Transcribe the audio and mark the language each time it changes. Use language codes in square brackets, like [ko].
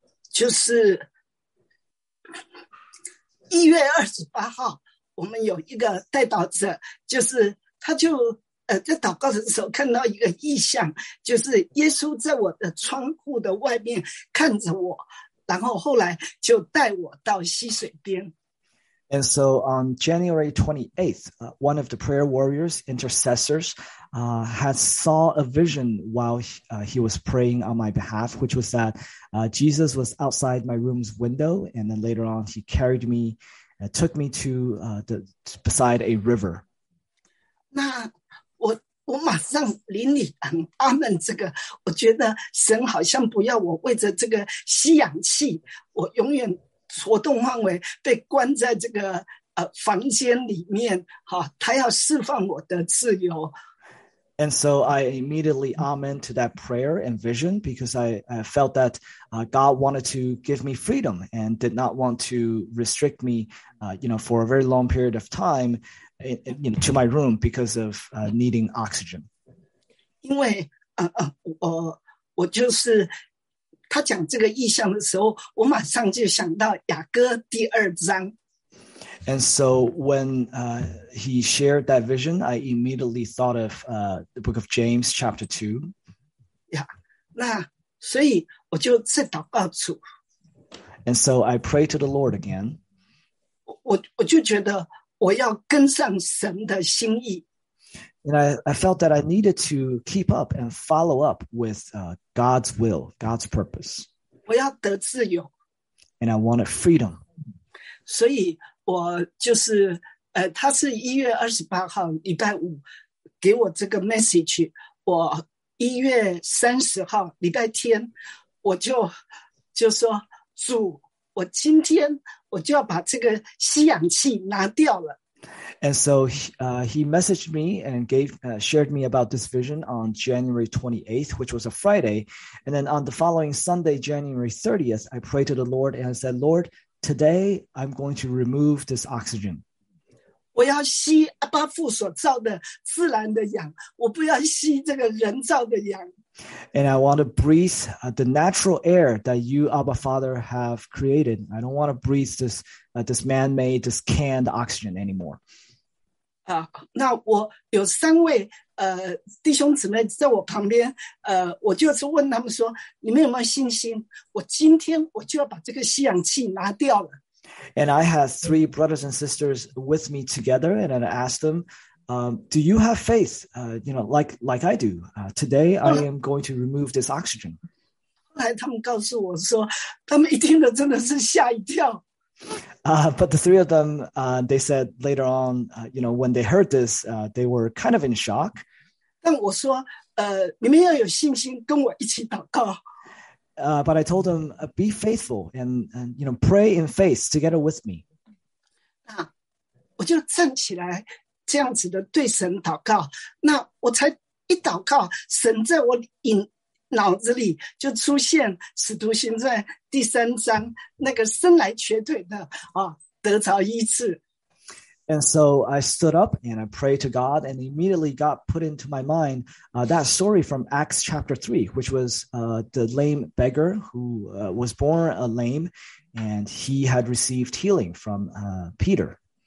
[zh] 就是1月28号，我们有一个代祷者，就是他就在祷告的时候看到一个异象，就是耶稣在我的窗户的外面看着我，然后后来就带我到溪水边。 [en] And so on January 28th, one of the prayer warriors, intercessors, had saw a vision while he was praying on my behalf, which was that Jesus was outside my room's window. And then later on, he carried me, took me to beside a river. [zh] 那我马上临里很阿门这个，我觉得神好像不要我为着这个吸氧气，我永远活动范围被关在这个房间里面，他要释放我的自由。 [en] And so I immediately amen to that prayer and vision because I felt that God wanted to give me freedom and did not want to restrict me, for a very long period of time, to my room because of needing oxygen. [zh] 因为我就是他讲这个意象的时候，我马上就想到雅歌第二章。 [en] And so when he shared that vision, I immediately thought of the book of James, chapter 2. [zh] Yeah, 那所以我就再祷告主。 [en] And so I prayed to the Lord again. [zh] 我就觉得我要跟上神的心意。 [en] And I felt that I needed to keep up and follow up with God's will, God's purpose. [zh] 我要得自由。 [en] And I wanted freedom. [zh] 所以我就是他是1月28号礼拜五给我这个 message， 我1月30号礼拜天我就说主，我今天我就要把这个吸氧气拿掉了。 [en] And so he messaged me and shared me about this vision on January 28th, which was a Friday. And then on the following Sunday, January 30th, I prayed to the Lord and I said, Lord,Today, I'm going to remove this oxygen. [zh] 我要吸阿巴父所造的自然的氧，我不要吸这个人造的氧。 [en] And I want to breathe the natural air that you, Abba Father, have created. I don't want to breathe this, this man-made, this canned oxygen anymore. [zh] 那我有三位弟兄姊妹在我旁边，我就是问他们说，你们有没有信心？我今天我就要把这个吸氧气拿掉了。 [en] And I had three brothers and sisters with me together, and I asked them, "Do you have faith? Like I do? Today I am going to remove this oxygen." [zh] 后来他们告诉我说，他们一听的真的是吓一跳。 [en] But the three of them, they said later on, when they heard this, they were kind of in shock. [zh] 但我说，你们要有信心，跟我一起祷告。 [en] But I told them, be faithful and pray in faith together with me. [zh] 那我就站起来，这样子的对神祷告。那我才一祷告，神在我脑子里就出现《使徒行传》第三章那个生来瘸腿的得着医治。 [en] And so I stood up and I prayed to God, and immediately got put into my mind that story from Acts chapter 3, which was the lame beggar who was born a lame, and he had received healing from Peter.